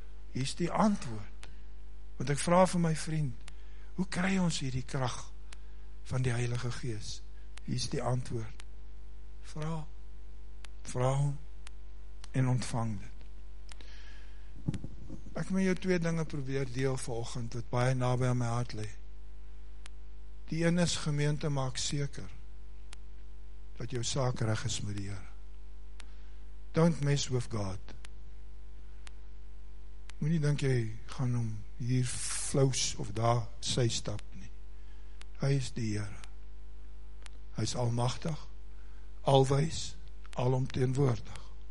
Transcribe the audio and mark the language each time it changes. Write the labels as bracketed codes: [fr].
[af] Hier's die antwoord. Want ek vra vir my vriend, hoe kry ons hierdie krag van die Heilige Gees? Hier's die antwoord. Vra hom en ontvang dit. Ek wil jou twee dinge probeer deel vanoggend wat baie naby aan my hart lê. Die een is gemeente maak seker dat jou saak reg is met die Here. [en] Don't mess with God. [af] Moenie dink jy gaan hom hier flous of daar sy stap nie. Hy is die Here. Hy is almagtig, alwys, alomteenwoordig.